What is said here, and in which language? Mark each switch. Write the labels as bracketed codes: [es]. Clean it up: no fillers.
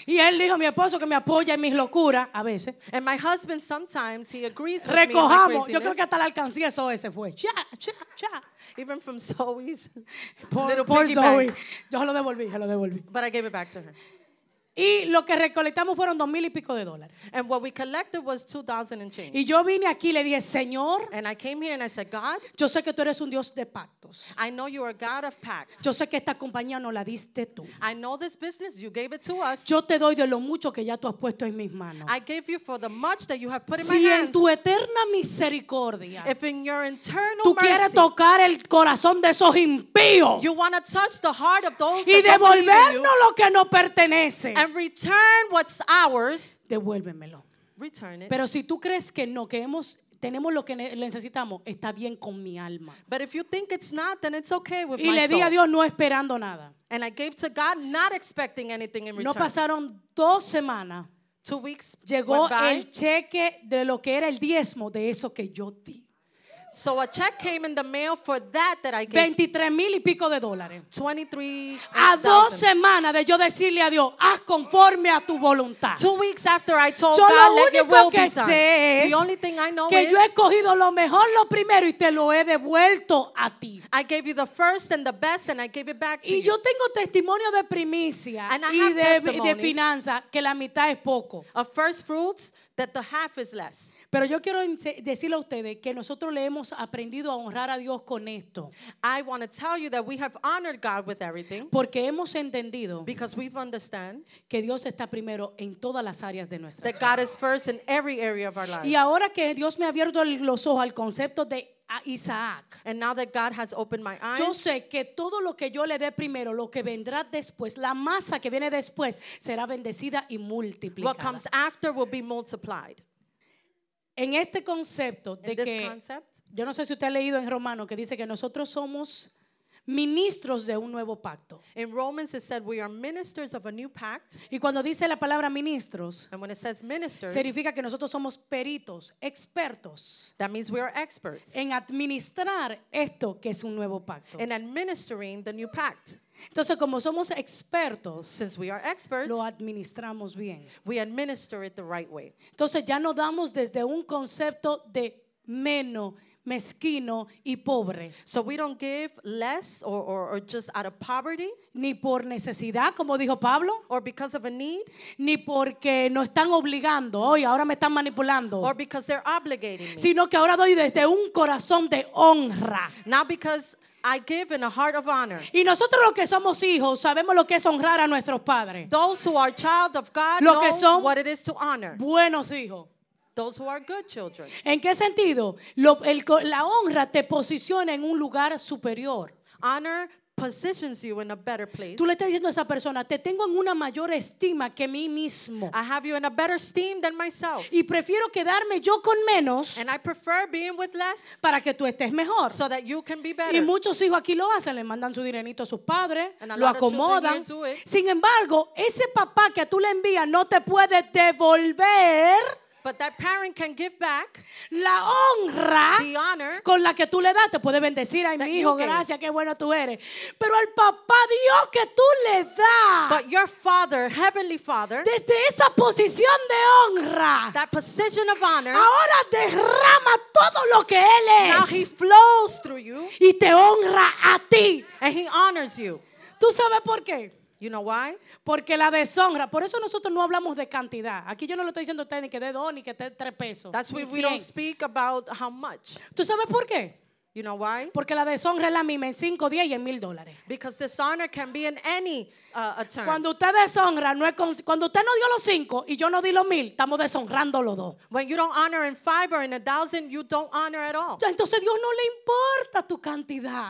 [es] Y él dijo a mi esposo que me apoya en mis locuras a veces. [en] And my husband sometimes he agrees with [es] recojamos. [en] Me. [es] Recojamos. Yo creo que hasta la alcancía eso ese fue. Cha. [en] Even from Zoe's [es] por [en] Zoe. Bank. [es] Yo lo devolví, yo lo devolví. [en] But I gave it back to her. [es] Y lo que recolectamos fueron $2,000+. [en] And what we collected was $2,000 and change. [es] Y yo vine aquí y le dije, Señor. [en] And I came here and I said, God. [es] Yo sé que tú eres un Dios de pactos. [en] I know you are God of pacts. [es] Yo sé que esta compañía no la diste tú. [en] I know this business, you gave it to us. [es] Yo te doy de lo mucho que ya tú has puesto en mis manos. [en] I gave you for the much that you have put in [es] si [en] my hands. [es] Si en tu eterna misericordia. [en] If in your eternal [es] tú Tú quieres tocar el corazón de esos impíos. [en] You want to touch the heart of those. [es] Y devolvernos lo que nos pertenece. [en] And return what's ours. [es] Devuélvemelo. [en] Return it. [es] Pero si tú crees que no, que hemos tenemos lo que necesitamos, está bien con mi alma. [en] But if you think it's not, then it's okay with [es] y [en] my soul. [es] Y le di a Dios no esperando nada. [en] And I gave to God not expecting anything in return. [es] No pasaron dos semanas. [en] 2 weeks [es] llegó [en] went by. [es] El cheque de lo que era el diezmo de eso que yo di. [en] So a check came in the mail for that I gave. [es] $23,000+. [en] $23,000. [es] A dos semanas de yo decirle a Dios, haz conforme a tu voluntad. [en] 2 weeks after I told [es] yo [en] God, let your will be done. [es] Yo lo único que sé es [en] the only thing I know [es] que [en] is [es] yo he escogido lo mejor, lo primero, y te lo he devuelto a ti. [en] I gave you the first and the best and I gave it back to [es] y [en] you. [es] Y yo tengo testimonio de primicia y de finanzas que la mitad es poco. [en] A first fruits that the half is less. [es] Pero yo quiero decirle a ustedes que nosotros le hemos aprendido a honrar a Dios con esto. [en] I want to tell you that we have honored God with everything. [es] Porque hemos entendido [en] because we've understand [es] que Dios está primero en todas las áreas de nuestra vida. [en] That God is first in every area of our lives. [es] Y ahora que Dios me ha abierto los ojos al concepto de Isaac. [en] And now that God has opened my eyes, [es] yo sé que todo lo que yo le dé primero, lo que vendrá después, la masa que viene después será bendecida y multiplicada. [en] What comes after will be multiplied. [es] En este concepto de que yo no sé si usted ha leído en Romanos que dice que nosotros somos ministros de un nuevo pacto. [en] In Romans it said we are ministers of a new pact. [es] Y cuando dice la palabra ministros, [en] and when it says ministers, [es] significa que nosotros somos peritos, expertos. [en] That means we are experts. [es] En administrar esto que es un nuevo pacto. [en] In administering the new pact. [es] Entonces, como somos expertos, [en] since we are experts, [es] lo administramos bien. [en] We administer it the right way. [es] Entonces, ya no damos desde un concepto de menos, mezquino y pobre. [en] So we don't give less or just out of poverty. [es] Ni por necesidad, como dijo Pablo. [en] Or because of a need. [es] Ni porque nos están obligando. Oye, ahora me están manipulando. [en] Or because they're obligating me. [es] Sino que ahora doy desde un corazón de honra. [en] Not because I give in a heart of honor. [es] Y nosotros los que somos hijos sabemos lo que es honrar a nuestros padres. [en] Those who are child of God [es] lo [en] know what it is to honor. [es] Buenos hijos. [en] Those who are good children. [es] ¿En qué sentido? La honra te posiciona en un lugar superior. [en] Honor positions you in a better place. [es] Tú le estás diciendo a esa persona, te tengo en una mayor estima que mí mismo. [en] I have you in a better esteem than myself. [es] Y prefiero quedarme yo con menos. [en] And I prefer being with less. [es] Para que tú estés mejor. [en] So that you can be better. [es] Y muchos hijos aquí lo hacen, le mandan su dinerito a sus padres, lo acomodan. [en] Of children here do it. [es] Sin embargo, ese papá que tú le envías no te puede devolver. [en] But that parent can give back [es] la honra, [en] the honor [es] con la que tú le das, te puede bendecir, ay mi hijo, gracias, qué bueno tú eres. Pero al papá Dios que tú le das, [en] but your father, heavenly father, [es] desde esa posición de honra, [en] that position of honor, [es] ahora derrama todo lo que él es. [en] Now he flows through you [es] y te honra a ti, [en] and he honors you. [es] ¿Tú sabes por qué? [en] You know why? [es] Porque la deshonra, por eso nosotros no hablamos de cantidad. Aquí yo no le estoy diciendo a usted ni que dé dos ni que dé tres pesos. [en] That's why we don't speak about how much. [es] ¿Tú sabes por qué? [en] You know why? [es] Porque la deshonra es la misma en 5, 10 y en $1,000. [en] Because dishonor can be in any term. [es] Cuando usted deshonra, no es cuando usted no dio los 5 y yo no di los 1,000, estamos deshonrando los dos. [en] When you don't honor in 5 or in 1,000, you don't honor at all. [es] Entonces Dios no le importa tu cantidad.